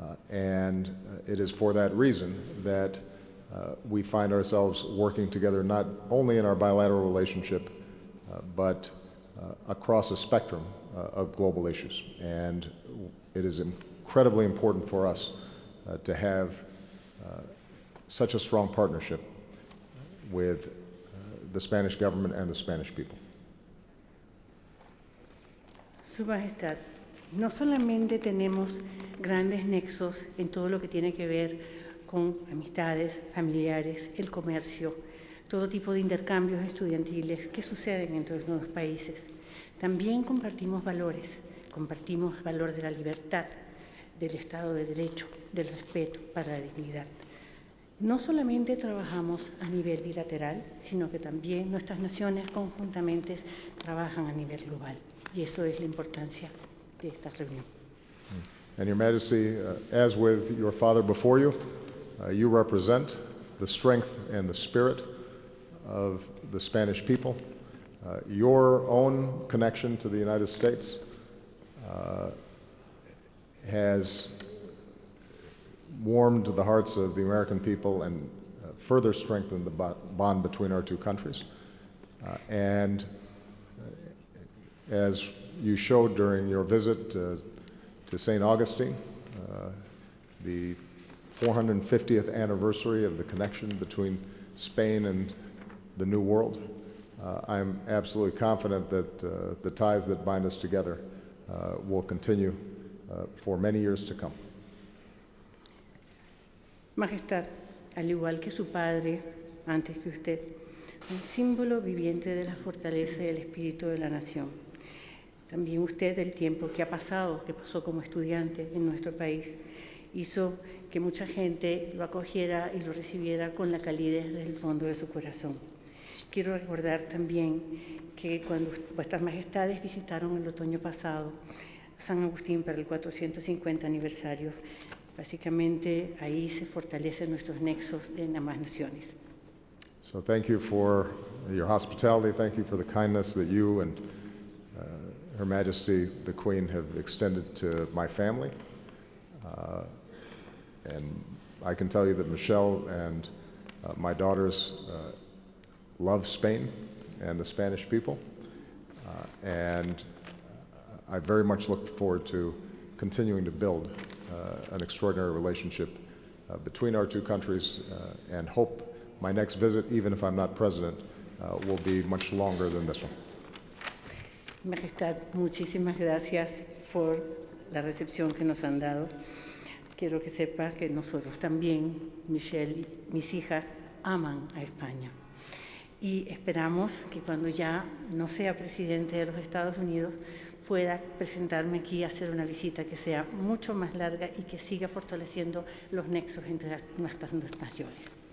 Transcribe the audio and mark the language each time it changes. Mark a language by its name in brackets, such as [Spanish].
[English] And it is for that reason that we find ourselves working together not only in our bilateral relationship, but across a spectrum of global issues. And it is incredibly important for us to have such a strong partnership with the Spanish government and the Spanish people. [Spanish] Su Majestad, no solamente tenemos grandes nexos en todo lo que tiene que ver con amistades, familiares, el comercio, todo tipo de intercambios estudiantiles que suceden entre los dos países. También compartimos valor de la libertad, del Estado de Derecho, del respeto para la dignidad. No solamente trabajamos a nivel bilateral, sino que también nuestras naciones conjuntamente trabajan a nivel global. Y eso es la importancia de esta reunión. [English] And Your Majesty, as with your father before you, you represent the strength and the spirit of the Spanish people. Your own connection to the United States has warmed the hearts of the American people and further strengthened the bond between our two countries. And as you showed during your visit to St. Augustine, the 450th anniversary of the connection between Spain and the New World, I'm absolutely confident that the ties that bind us together will continue for many years to come. [Spanish] Majestad, al igual que su padre, antes que usted, un símbolo viviente de la fortaleza y del espíritu de la nación. También usted, el tiempo que ha pasado, que pasó como estudiante en nuestro país, hizo que mucha gente lo acogiera y lo recibiera con la calidez del fondo de su corazón. Quiero recordar también que cuando vuestras majestades visitaron el otoño pasado San Agustín para el 450 aniversario, básicamente ahí se fortalecen nuestros nexos en ambas naciones. [English] So thank you for your hospitality. Thank you for the kindness that you and Her Majesty the Queen have extended to my family. And I can tell you that Michelle and my daughters love Spain and the Spanish people. And I very much look forward to continuing to build an extraordinary relationship between our two countries and hope my next visit, even if I'm not president, will be much longer than this one. [Spanish] Majestad, muchísimas gracias por la recepción que nos han dado. Quiero que sepa que nosotros también, Michelle, mis hijas, aman a España. Y esperamos que cuando ya no sea presidente de los Estados Unidos, pueda presentarme aquí a hacer una visita que sea mucho más larga y que siga fortaleciendo los nexos entre nuestras naciones.